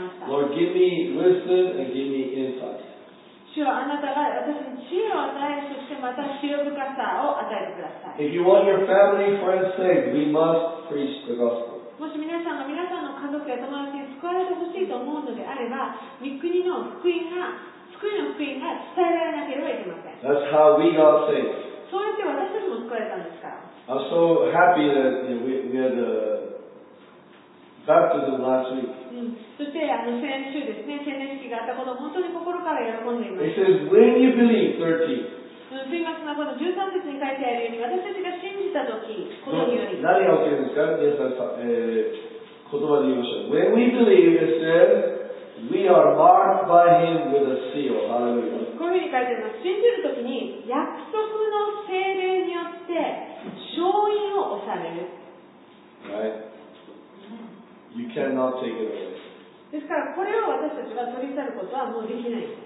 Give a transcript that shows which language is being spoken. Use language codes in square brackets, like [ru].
[en] Lord, give me wisdom and give me insight. If you want your family, friends saved, we must preach the gospel. [ja] もし皆さんの家族や友達に救われてほしいと思うのであれば、御国の福音が、救いの福音が伝えられなければいけません。 [en] That's how we got saved. [ja] そうやって私たちも救われたんですから。 [en] I'm so happy that we had a baptism last week. [ja] そして先週ですね、洗礼式があったことを本当に心から喜んでいます。 [en] It says, when you believe, 13. [ja] 水幕のこの13節に書いてあるように、私たちが信じたとき、このように。何が起きるんですか？皆さん、言葉で言いましょう。 [en] When we believe, it said, we are marked by him with a seal. Hallelujah. [ja] こういうふうに書いてあります。信じるときに、約束の聖霊によって、勝因を押される。はい。 [en] You cannot take it away. [ja] ですから、これを私たちが取り去ることはもうできない。